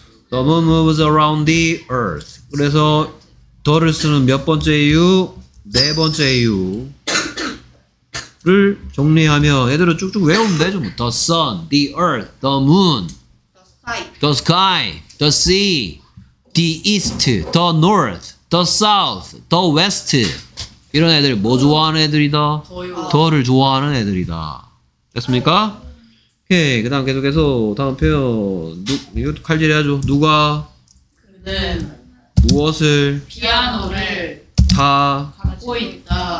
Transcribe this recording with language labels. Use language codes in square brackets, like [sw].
[en] 더 문 moves around the earth. [ko] 그래서 더를 쓰는 몇 번째 이유? 네 번째 이유를 정리하면 얘들을 쭉쭉 외우면 되죠. [en] The sun, the earth, the moon, the sky, the sea, the east, the north, the south, the west. [ko] 이런 애들이 뭐 좋아하는 애들이다? 더를 좋아하는 애들이다. 됐습니까? 오케이. 그 다음 계속해서 다음 표현. 이것도 칼질해야죠. 누가 그는 무엇을 피아노를 다 갖고 있다.